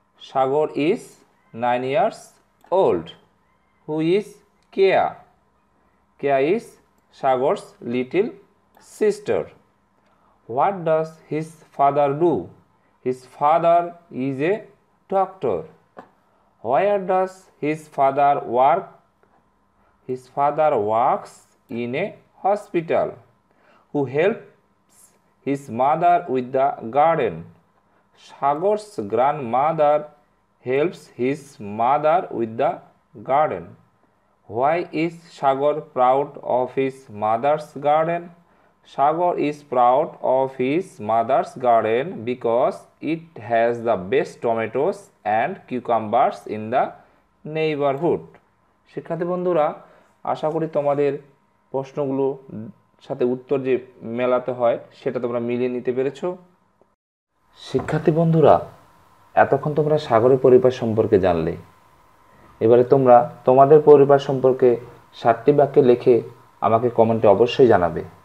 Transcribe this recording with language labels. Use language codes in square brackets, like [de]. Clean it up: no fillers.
[en] Sagar is 9 years old. Who is Keya? Keya is Sagar's little sister. What does his father do? His father is a doctor. Where does his father work? His father works in a hospital. Who helps his mother with the garden? Sagar's grandmother helps his mother with the garden. Why is Sagar proud of his mother's garden? Sagar is proud of his mother's garden because it has the best tomatoes and cucumbers in the neighborhood. [bn] শিক্ষার্থী বন্ধুরা, আশা করি তোমাদের প্রশ্নগুলো সাথে উত্তর যে মেলাতে হয় সেটা তোমরা মিলিয়ে নিতে পেরেছ। শিক্ষার্থী বন্ধুরা, এতক্ষণ তোমরা সাগরের পরিবার সম্পর্কে জানলে, এবারে তোমরা তোমাদের পরিবার সম্পর্কে 7টি বাক্যে লিখে আমাকে কমেন্টে অবশ্যই জানাবে।